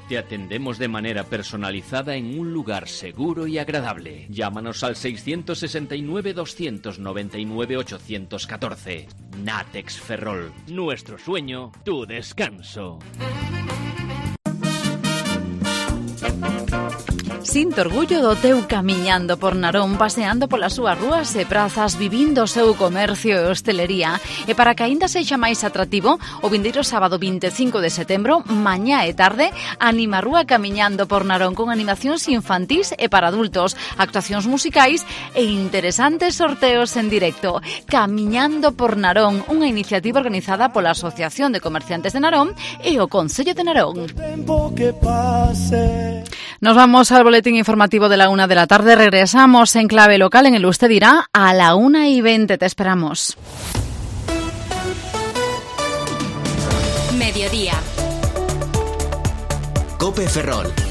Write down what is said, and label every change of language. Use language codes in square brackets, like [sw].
[es] Te atendemos de manera personalizada en un lugar seguro y agradable. Llámanos al 669-299-814. Natex Ferrol. Nuestro sueño, tu descanso. [gl] Sinto orgullo do teu camiñando por Narón, paseando polas súas rúas e prazas, vivindo o seu comercio e hostelería. E para que aínda sexa máis atractivo, o vindeiro sábado 25 de setembro, mañá e tarde, anima rúa camiñando por Narón con animacións infantís e para adultos, actuacións musicais e interesantes sorteos en directo. Camiñando por Narón, unha iniciativa organizada pola Asociación de Comerciantes de Narón e o Concello de Narón. [es] Nos vamos al boletín informativo de la una de la tarde. Regresamos en clave local en el Usted Dirá a la 1:20. Te esperamos. Mediodía. COPE Ferrol.